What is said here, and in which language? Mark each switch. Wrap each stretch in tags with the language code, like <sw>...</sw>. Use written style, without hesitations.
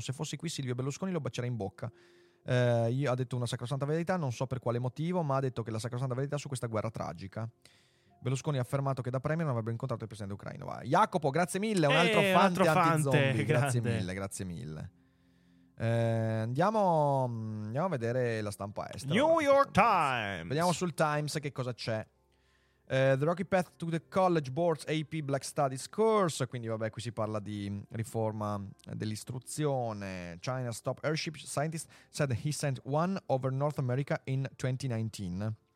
<it>Se fossi qui Silvio Berlusconi lo bacerei in bocca. Io ha detto una sacrosanta verità, non so per quale motivo, ma ha detto che la sacrosanta verità su questa guerra tragica. Berlusconi ha affermato che da premier non avrebbe incontrato il presidente ucraino. Vai. Jacopo, grazie mille, un altro fante grazie mille. Andiamo a vedere la stampa estera. New York Times. Vediamo sul Times che cosa c'è.</it> <en>The Rocky Path to the College Board's AP Black Studies Course.</en> <it>Quindi vabbè, qui si parla di riforma dell'istruzione.</it> <en>China's top airship scientist said he sent one over North America in 2019.</en>